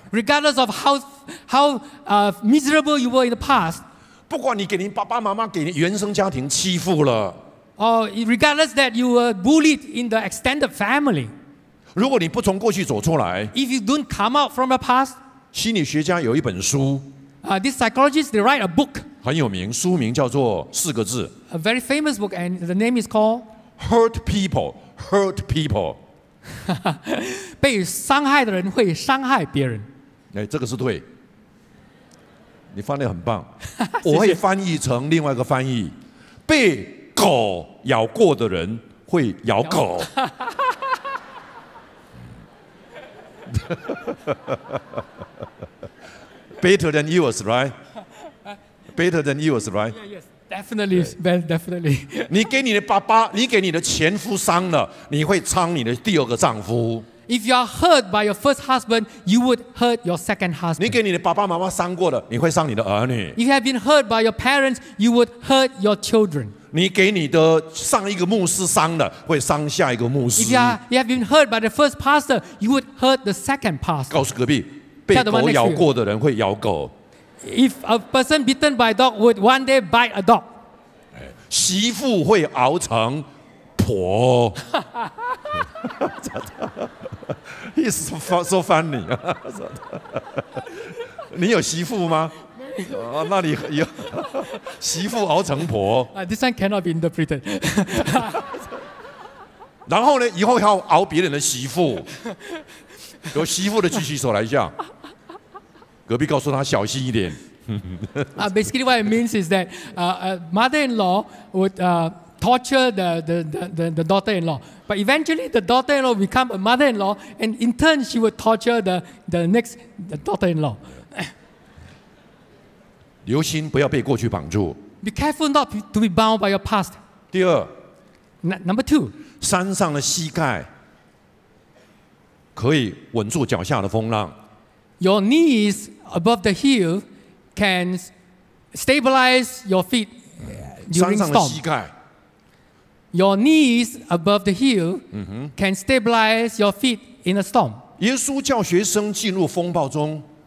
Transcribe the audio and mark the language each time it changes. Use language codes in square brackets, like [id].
[en] Regardless of how miserable you were in the past. [zh] 不管你给你爸爸妈妈给你原生家庭欺负了、 [en] regardless that you were bullied in the extended family, [zh] 如果你不从过去走出来 [en] if you don't come out from the past, [zh] 心理学家有一本书、 [en] this psychologist they write a book, [zh] 很有名，书名叫做四个字 [en] a very famous book and the name is called Hurt People [zh] 被伤害的人会伤害别人、哎、这个是对你翻译很棒，我会翻译成另外一个翻译。被狗咬过的人会咬狗。 [en] Better than yours, right? Better than yours, right? Yes, definitely, very definitely. [zh] 你给你的爸爸，你给你的前夫伤了，你会伤你的第二个丈夫。 [en] If you are hurt by your first husband, you would hurt your second husband. [zh] 你给你的爸爸妈妈伤过了，你会伤你的儿女。 [en] You have been hurt by your parents, you would hurt your children. [zh] 你给你的上一个牧师伤了，会伤下一个牧师。 [en] If you have been hurt by the first pastor, you would hurt the second pastor. [zh] 告诉隔壁，被狗咬过的人会咬狗。 [en] If a person bitten by a dog would one day bite a dog. [zh] 媳妇会熬成婆。 [en] He's so funny. [zh] 你有媳妇吗？那你有媳妇熬成婆。 [en] This one cannot be interpreted. [zh] 然后呢？以后要熬别人的媳妇。有媳妇的举起手来一下。隔壁告诉他小心一点。 [en] basically, what it means is that a mother-in-law would torture the daughter-in-law. But eventually, the daughter-in-law will become a mother-in-law, and in turn, she would torture the next daughter-in-law. [zh] 留心不要被过去绑住。 [en] Be careful not to be bound by your past. [zh] 第二 [en] Number two. [zh] 山上的膝盖可以稳住脚下的风浪。 [en] Your knees above the hill can stabilize your feet during storm. [zh] 山上的膝盖 [en] Your knees above the hill can stabilize your feet in a storm. [zh] 耶稣叫学生进入风暴中。